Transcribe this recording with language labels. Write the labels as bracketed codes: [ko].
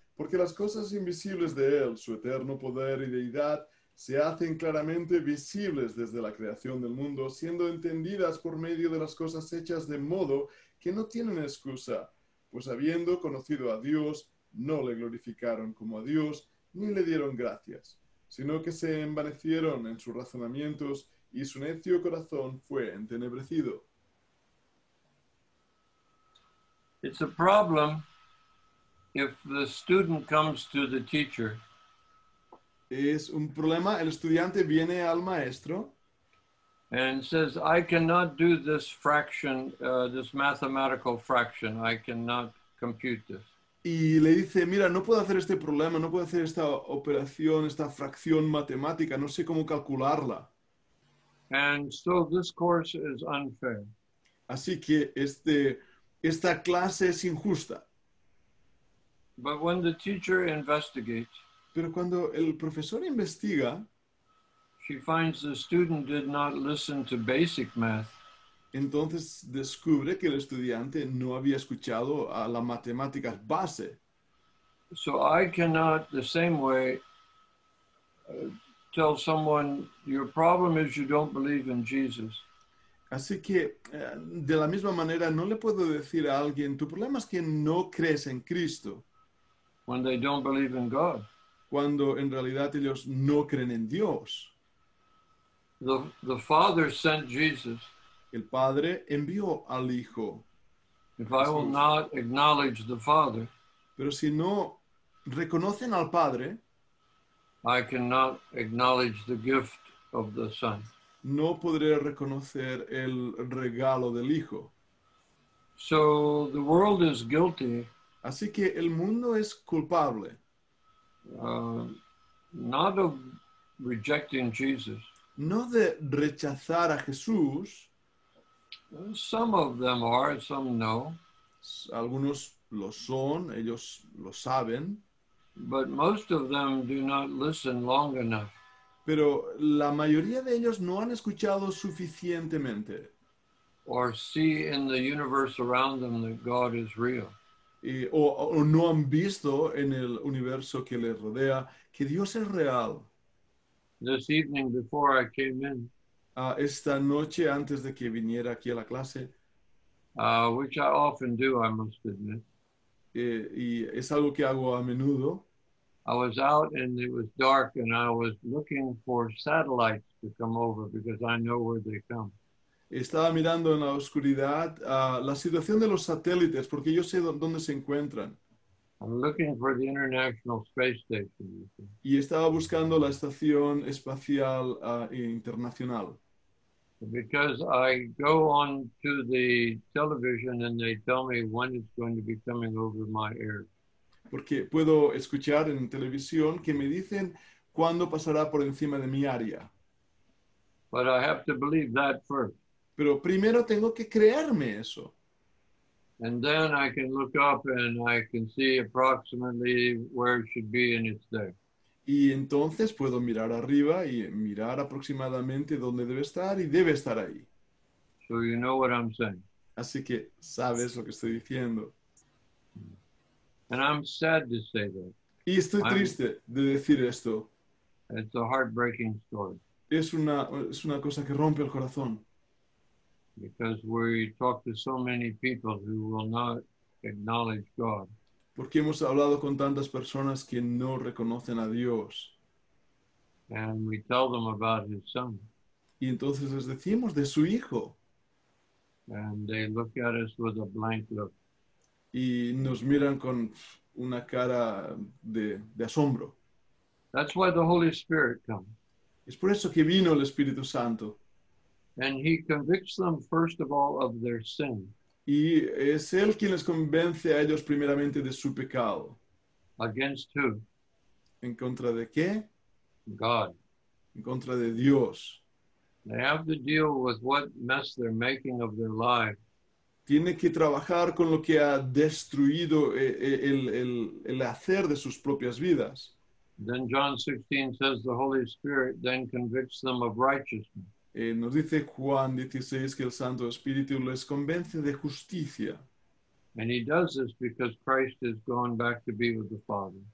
[es] Porque las cosas invisibles de Él, su eterno poder y deidad, se hacen claramente visibles desde la creación del mundo, siendo entendidas por medio de las cosas hechas de modo que no tienen excusa. Pues habiendo conocido a Dios, no le glorificaron como a Dios, ni le dieron gracias, sino que se envanecieron en sus razonamientos y su necio corazón fue entenebrecido. [en] It's a problem if the student comes to the teacher. [es] Es un problema el estudiante viene al maestro [en] and says, I cannot do this fraction, this mathematical fraction. I cannot compute this. [es] y le dice, mira, no puedo hacer este problema, no puedo hacer esta operación, esta fracción matemática, no sé cómo calcularla. [en] And so this course is unfair. [es] Así que esta clase es injusta. [en] But when the teacher investigates, [es] pero cuando el profesor investiga, [en] she finds the student did not listen to basic math. [es] Entonces descubre que el estudiante no había escuchado a la matemática base. [en] So I cannot the same way tell someone your problem is you don't believe in Jesus. [es] Así que de la misma manera no le puedo decir a alguien tu problema es que no crees en Cristo. [en] When they don't believe in God. [es] Cuando en realidad ellos no creen en Dios. [en] The Father sent Jesus. [es] El Padre envió al Hijo. [en] If I will not acknowledge the Father, [es] pero si no reconocen al Padre, [en] I cannot acknowledge the gift of the Son. [es] No podré reconocer el regalo del Hijo. [en] So the world is guilty. [es] Así que el mundo es culpable. [en] Not of rejecting Jesus. [es] No de rechazar a Jesús. [en] Some of them are, some no. [es] Algunos lo son, ellos lo saben. [en] But most of them do not listen long enough. [es] Pero la mayoría de ellos no han escuchado suficientemente. [en] Or see in the universe around them that God is real. [es] O no han visto en el universo que les rodea que Dios es real. [en] This evening before I came in, [es] esta noche antes de que viniera aquí a la clase, [en] which I often do, I must admit, [es] y es algo que hago a menudo, [en] I was out and it was dark and I was looking for satellites to come over because I know where they come. [es] Estaba mirando en la oscuridad la situación de los satélites porque yo sé dónde se encuentran. [en] I'm looking for the International Space Station. [es] Y estaba buscando la estación espacial internacional. [en] Because I go on to the television and they tell me when it's going to be coming over my ear. [es] Porque puedo escuchar en televisión que me dicen cuándo pasará por encima de mi área. [en] But I have to believe that first. [es] Pero primero tengo que creerme eso. [en] And then I can look up and I can see approximately where it should be in its day. [es] Y entonces puedo mirar arriba y mirar aproximadamente dónde debe estar y debe estar ahí. [en] So you know what I'm saying. [es] Así que sabes lo que estoy diciendo. [en] And I'm sad to say that. [es] Y estoy triste de decir esto. [en] It's a heartbreaking story. [es] Es una cosa que rompe el corazón. [en] Because we talk to so many people who will not acknowledge God. [es] Porque hemos hablado con tantas personas que no reconocen a Dios. [en] And we tell them about his son. [es] Y entonces les decimos de su hijo. [en] And they look at us with a blank look. [es] Y nos miran con una cara de asombro. [en] That's why the Holy Spirit comes. [es] Es por eso que vino el Espíritu Santo. [en] And he convicts them, first of all, of their sin. [es] Y es él quien les convence a ellos primeramente de su pecado. [en] Against who? [es] ¿En contra de qué? [en] God. [es] En contra de Dios. [en] They have to deal with what mess they're making of their life. [es] Tiene que trabajar con lo que ha destruido el hacer de sus propias vidas. [en] Then John 16 says the Holy Spirit then convicts them of righteousness. [es] Nos dice Juan 16 que el Santo Espíritu les convence de justicia. [en] And he does this because Christ has gone back to be with the Father.